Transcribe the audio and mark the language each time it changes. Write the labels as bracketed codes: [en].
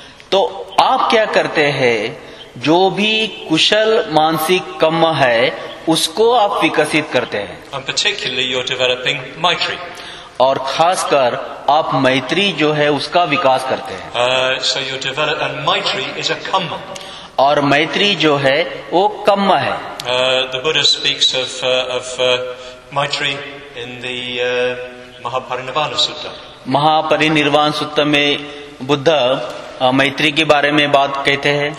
[hi] तो आप क्या करते हैं, जो भी कुशल मानसिक कर्म है उसको आप विकसित करते हैं. [en] And particularly you're developing maitri. [hi] और खासकर आप मैत्री जो है उसका विकास करते हैं. [en] So you develop, and maitri is a karma. [hi] और मैत्री जो है वो कर्म है. [en] The Buddha speaks of maitri in the Mahaparinirvana Sutta. [hi] महापरिनिर्वाण सूत्र में बुद्ध मैत्री के बारे में बात कहते हैं.